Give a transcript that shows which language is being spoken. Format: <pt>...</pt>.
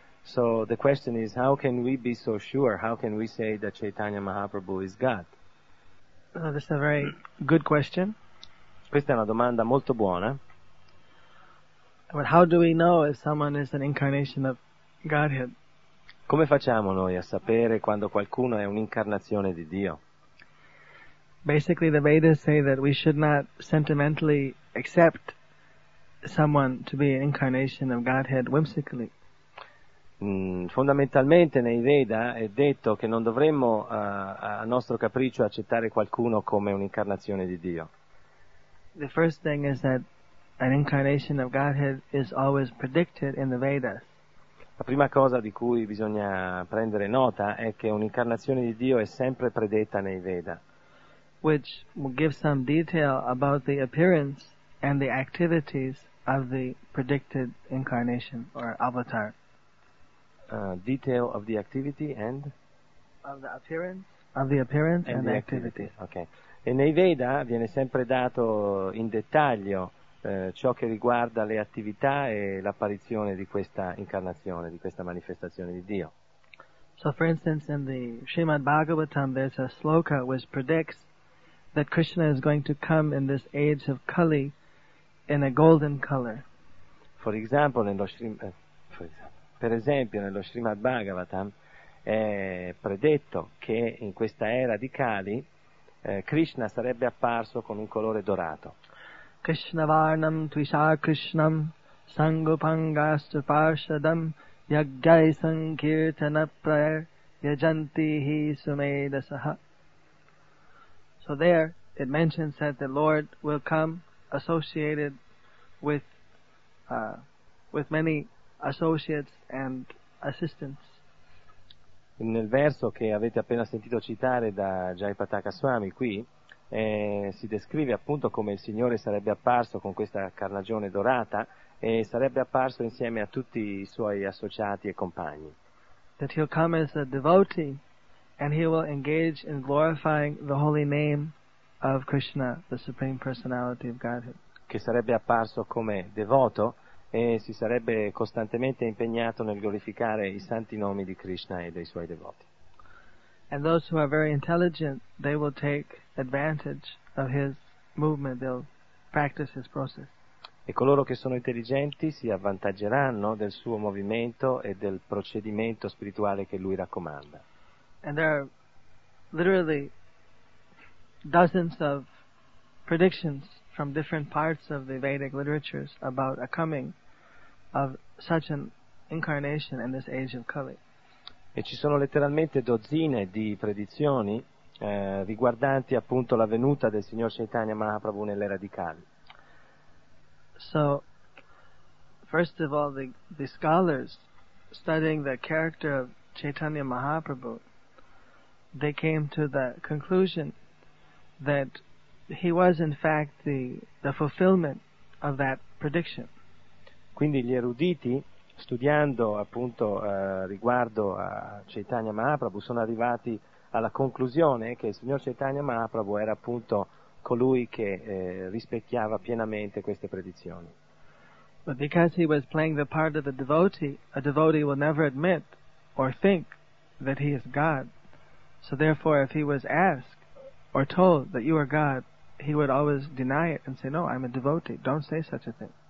<en>So the question is, how can we be so sure? How can we say that Chaitanya Mahaprabhu is God? That's a very good question.</en> <it>Questa è una domanda molto buona.</it> <en>But how do we know if someone is an incarnation of Godhead?</en> <it>Come facciamo noi a sapere quando qualcuno è un'incarnazione di Dio?</it> <en>Basically the Vedas say that we should not sentimentally accept someone to be an incarnation of Godhead whimsically.</en> <it>Fondamentalmente nei Veda è detto che non dovremmo a nostro capriccio accettare qualcuno come un'incarnazione di Dio.</it> <en>The first thing is that an incarnation of Godhead is always predicted in the Vedas.</en> <it>La prima cosa di cui bisogna prendere nota è che un'incarnazione di Dio è sempre predetta nei Veda.</it> <en>Which will give some detail about the appearance and the activities of the predicted incarnation or avatar. Detail of the activity and? Of the appearance. Of the appearance and the activity. Okay.</en> <it>E nei Veda viene sempre dato in dettaglio ciò che riguarda le attività e l'apparizione di questa incarnazione, di questa manifestazione di Dio.</it> <en>So for instance in the Srimad Bhagavatam there's a sloka which predicts that Krishna is going to come in this age of Kali in a golden color.</en> <it>Per esempio nello Srimad Bhagavatam è predetto che in questa era di Kali Krishna sarebbe apparso con un colore dorato.</it> <sa>Krishna varnam tvisha krishnam Sangopangasya Parshadam Yagai Sankirtana Prayer Yajantihi Sumedasaha.</sa> <en>So there it mentions that the Lord will come associated with many associates and assistants.</en> <it>Nel verso che avete appena sentito citare da Jayapataka Swami qui, si descrive appunto come il Signore sarebbe apparso con questa carnagione dorata e sarebbe apparso insieme a tutti i suoi associati e compagni.</it> <en>That he'll come as a devotee and he will engage in glorifying the holy name of Krishna, the Supreme Personality of Godhead.</en> <it>Che sarebbe apparso come devoto e si sarebbe costantemente impegnato nel glorificare i santi nomi di Krishna e dei suoi devoti.</it> <en>And those who are very intelligent, they will take advantage of his movement, they'll practice his process.</en> <it>E coloro che sono intelligenti si avvantaggeranno del suo movimento e del procedimento spirituale che lui raccomanda.</it> <en>And there are literally dozens of predictions from different parts of the Vedic literatures about a coming of such an incarnation in this age of Kali.</en> <it>E ci sono letteralmente dozzine di predizioni riguardanti appunto la venuta del Signor Chaitanya Mahaprabhu nell'era di Kali.</it> <en>So, first of all, the scholars studying the character of Chaitanya Mahaprabhu, they came to the conclusion that he was in fact the fulfillment of that prediction.</en> <it>Quindi gli eruditi, studiando appunto riguardo a Chaitanya Mahaprabhu, sono arrivati alla conclusione che il signor Chaitanya Mahaprabhu era appunto colui che rispecchiava pienamente queste predizioni.</it> <en>But because he was playing the part of a devotee will never admit or think that he is God. So therefore, if he was asked or told that you are God, he would always deny it and say, no, I'm a devotee, don't say such a thing.</en>